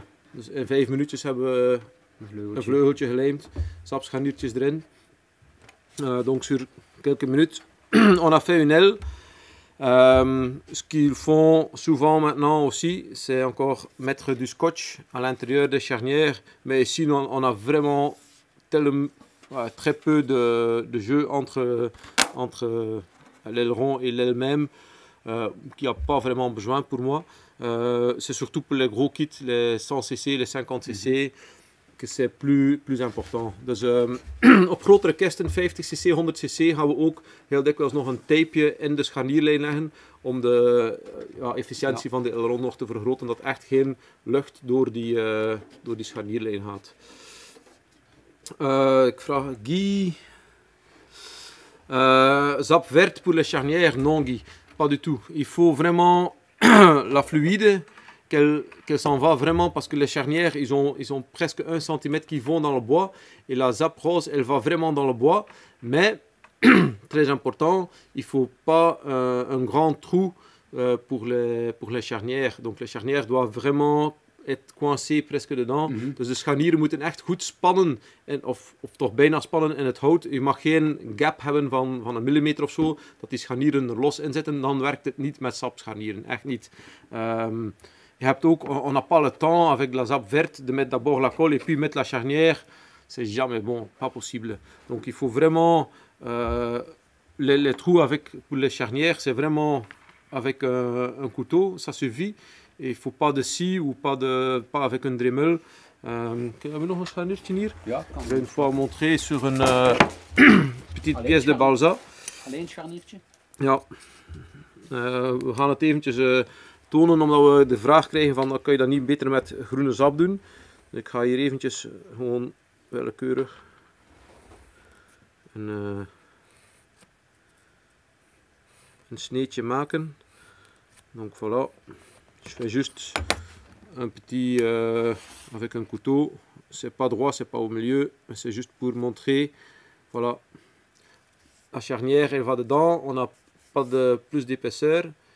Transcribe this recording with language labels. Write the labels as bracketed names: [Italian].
[Dutch] Dus in 5 minuutjes hebben we een vleugeltje gelijmd. Sapscharniertjes erin. [French] Donc sur quelques minutes. On a fait une aile. Ce qu'ils font souvent maintenant aussi, c'est encore mettre du scotch à l'intérieur des charnières. Mais ici, on a vraiment très peu de jeu entre l'aileron et l'aile même. Qui n'a pas vraiment besoin pour moi. C'est surtout pour les gros kits, les 100cc, les 50cc, que c'est plus important. [Dutch] Dus op grotere kisten, 50cc, 100cc, gaan we ook heel dikwijls nog een tapeje in de scharnierlijn leggen om de efficiëntie van de aileron nog te vergroten, dat echt geen lucht door die scharnierlijn gaat. Ik vraag [French] Guy. Zap vert pour les charnières, non Guy. pas du tout. Il faut vraiment la fluide qu'elle s'en va vraiment, parce que les charnières, ils ont presque un centimètre qui vont dans le bois, et la Zap Rose, elle va vraiment dans le bois, mais très important, il faut pas un grand trou pour les charnières. Donc les charnières doivent vraiment être coincées presque dedans. Mm-hmm. [Dutch] Dus de scharnieren moeten echt goed spannen, of toch bijna spannen in het hout. Je mag geen gap hebben van een millimeter of zo, dat die scharnieren er los in zitten. Dan werkt het niet met sapscharnieren, echt niet. Je hebt ook, [French] on n'a pas le temps avec la zap verte de mettre d'abord la colle et puis mettre la charnière. C'est jamais bon, pas possible. Donc il faut vraiment, les trous avec pour les charnières, c'est vraiment avec un couteau, ça suffit. Et il ne faut pas de scie ou pas avec un dremel. Avez-vous [Dutch] nog een scharniertje hier? Ja, [French] je vais une fois montrer sur une petite pièce de balsa. [Dutch] Alleen scharniertje? Ja. We gaan het eventjes tonen, omdat we de vraag krijgen van, kan je dat niet beter met groene zap doen? Dus ik ga hier eventjes gewoon willekeurig een sneetje maken. [French] Donc voilà. Je fais juste un petit avec un couteau. C'est pas droit, c'est pas au milieu, mais c'est juste pour montrer. Voilà. La charnière, elle va dedans. On n'a pas de plus d'épaisseur.